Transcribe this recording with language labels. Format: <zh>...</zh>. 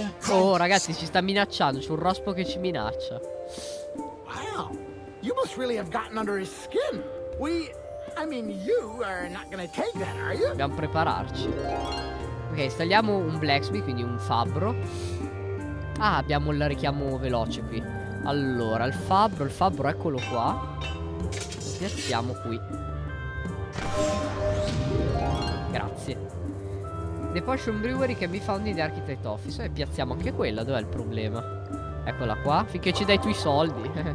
<it>Oh, ragazzi, ci sta minacciando. C'è un rospo che ci minaccia.</it> <en>Wow, you must really have gotten under his skin. You are not gonna take that, are you?</en> <it>Dobbiamo prepararci. Ok, installiamo un blacksmith, quindi un fabbro. Ah, abbiamo il richiamo veloce qui. Allora, il fabbro, eccolo qua. Lo piazziamo qui. Grazie.</it> <en>The Potion Brewery can be found in the Architect Office.</en> <it>E piazziamo anche quella, dov'è il problema? Eccola qua, finché ci dai i tuoi soldi.</it>